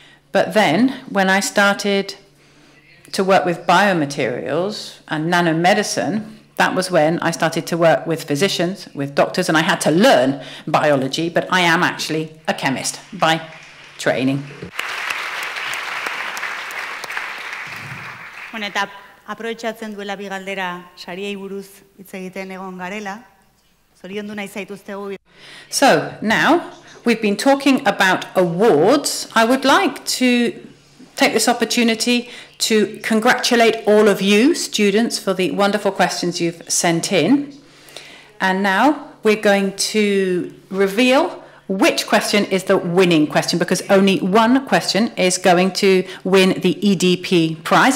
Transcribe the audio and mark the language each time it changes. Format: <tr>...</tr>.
<en>But then, when I started to work with biomaterials and nanomedicine, that was when I started to work with physicians, with doctors, and I had to learn biology, but I am actually a chemist by training.</en> <eu>Bueno, eta aprobetxatzen duela bi galdera sariei buruz hitz egiten egon garela. Zoriondu nahi zaituztegu.</eu> <en>So, now, we've been talking about awards. I would like to take this opportunity to congratulate all of you, students, for the wonderful questions you've sent in. And now, we're going to reveal which question is the winning question, because only one question is going to win the EDP prize.</en>